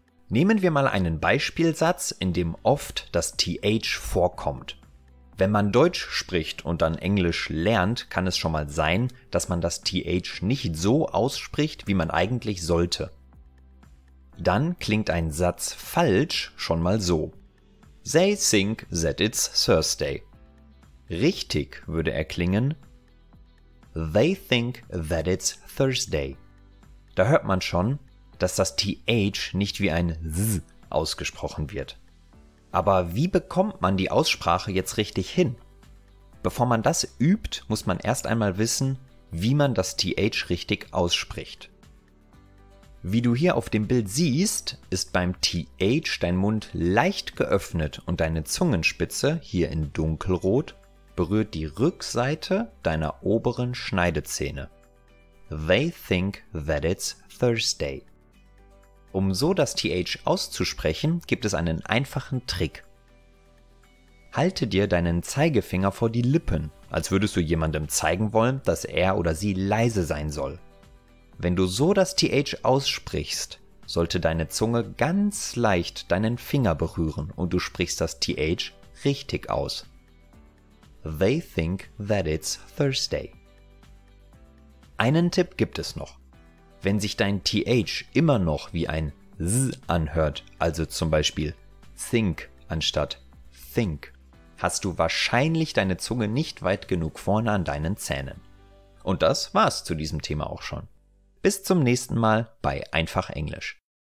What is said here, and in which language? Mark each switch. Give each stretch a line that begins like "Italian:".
German: Nehmen wir mal einen Beispielsatz, in dem oft das TH vorkommt. Wenn man Deutsch spricht und dann Englisch lernt, kann es schon mal sein, dass man das TH nicht so ausspricht, wie man eigentlich sollte. Dann klingt ein Satz falsch schon mal so.
English: They think that it's Thursday.
German: Richtig würde er klingen.
English: They think that it's Thursday.
German: Da hört man schon, dass das TH nicht wie ein Z ausgesprochen wird. Aber wie bekommt man die Aussprache jetzt richtig hin? Bevor man das übt, muss man erst einmal wissen, wie man das TH richtig ausspricht. Wie du hier auf dem Bild siehst, ist beim TH dein Mund leicht geöffnet und deine Zungenspitze, hier in dunkelrot, berührt die Rückseite deiner oberen Schneidezähne.
English: They think that it's Thursday.
German: Um so das TH auszusprechen, gibt es einen einfachen Trick. Halte dir deinen Zeigefinger vor die Lippen, als würdest du jemandem zeigen wollen, dass er oder sie leise sein soll. Wenn du so das TH aussprichst, sollte deine Zunge ganz leicht deinen Finger berühren und du sprichst das TH richtig aus.
English: They think that it's Thursday.
German: Einen Tipp gibt es noch. Wenn sich dein TH immer noch wie ein Z anhört, also zum Beispiel think anstatt think, hast du wahrscheinlich deine Zunge nicht weit genug vorne an deinen Zähnen. Und das war's zu diesem Thema auch schon. Bis zum nächsten Mal bei Einfach Englisch.